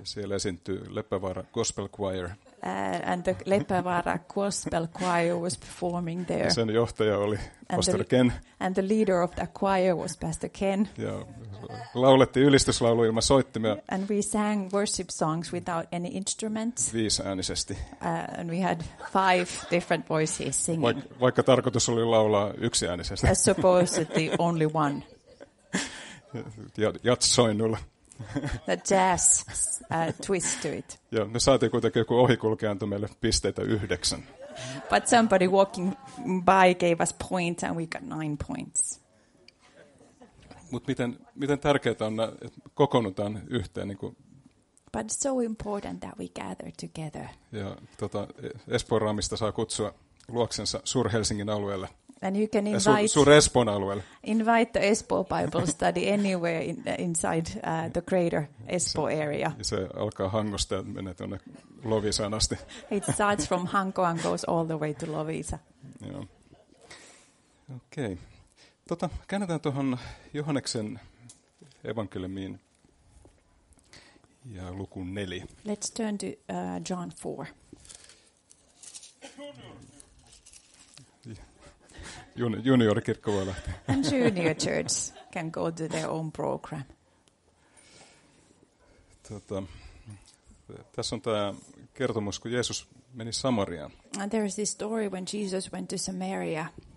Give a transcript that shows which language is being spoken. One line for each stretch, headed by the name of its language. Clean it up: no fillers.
Finnish: Siellä esiintyi Leppävaara Gospel Choir.
English: And the Leppävaara Gospel Choir was performing there.
Finnish: Ja sen johtaja oli Pastor Ken.
English: And the leader of that choir was Pastor Ken.
Finnish: Ja laulettiin ylistyslaulu ilman soittimia.
English: And we sang worship songs without any instruments.
Finnish: Viisäänisesti.
English: And we had 5 different voices singing.
Finnish: Vaikka tarkoitus oli laulaa yksiäänisesti.
English: As supposedly only one.
Finnish: Jatsoinnulla.
English: The jazz twist to it.
Finnish: Ja me saatiin kuitenkin joku ohikulkija antoi meille pisteitä 9.
English: But somebody walking by gave us points and we got 9 points.
Finnish: Mut miten tärkeää on, että kokoonnutaan yhteen niin kuin.
English: But it's so important that we gather together.
Finnish: Ja Espoon Raamista saa kutsua luoksensa Suur-Helsingin alueelle.
English: And you can invite the Espoo Bible study anywhere inside the greater Espoo area.
Finnish: Se alkaa Hangosta ja menee tuonne Loviisaan asti.
English: It starts from Hanko and goes all the way to Loviisa.
Finnish: Joo. Okei. Käännetään tuohon Johanneksen evankeliumiin ja luku 4.
English: Let's turn to John 4.
Finnish: Junior kirkko voi lähteä.
English: And junior church can go to their own program.
Finnish: Tässä on tämä kertomus, kun Jeesus meni Samariaan.
English: And there is this story when Jesus went to Samaria.